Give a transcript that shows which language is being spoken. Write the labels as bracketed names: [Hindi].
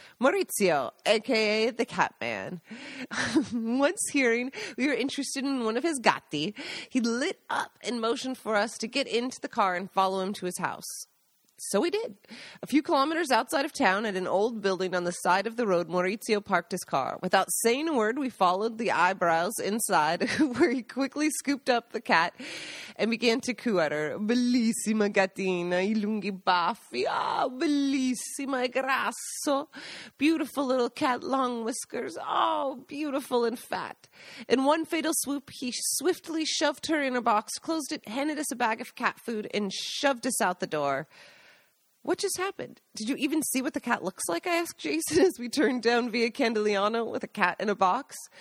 [English] Maurizio, a.k.a. the cat man. Once hearing we were interested in one of his gatti, he lit up and motioned for us to get into the car and follow him to his house. So we did. A few kilometers outside of town at an old building on the side of the road, Maurizio parked his car. Without saying a word, we followed the eyebrows inside where he quickly scooped up the cat and began to coo at her. [Italian] Bellissima gattina, I lunghi baffi, ah, bellissima grasso. [English] Beautiful little cat, long whiskers, oh, beautiful and fat. In one fatal swoop, he swiftly shoved her in a box, closed it, handed us a bag of cat food, and shoved us out the door. What just happened? Did you even see what the cat looks like? I asked Jason as we turned down Via Candeliano with a cat in a box.